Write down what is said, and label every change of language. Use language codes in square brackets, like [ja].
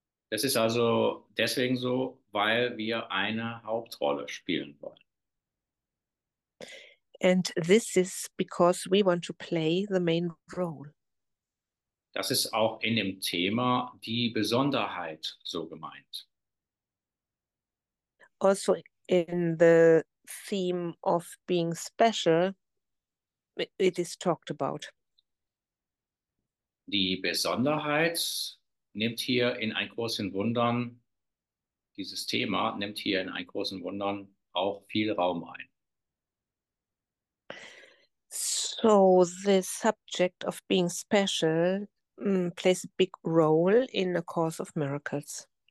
[de] Das ist also deswegen so, weil wir eine Hauptrolle spielen wollen. [en] And this is because we want to play the main role. [de] Das ist auch in dem Thema die Besonderheit so gemeint. [en] Also in the theme of being special, it is talked about. [de] Die Besonderheit nimmt hier in ein großen Wundern, dieses Thema nimmt hier in ein großen Wundern auch viel Raum ein. [en] So the subject of being special plays a big role in A Course of Miracles.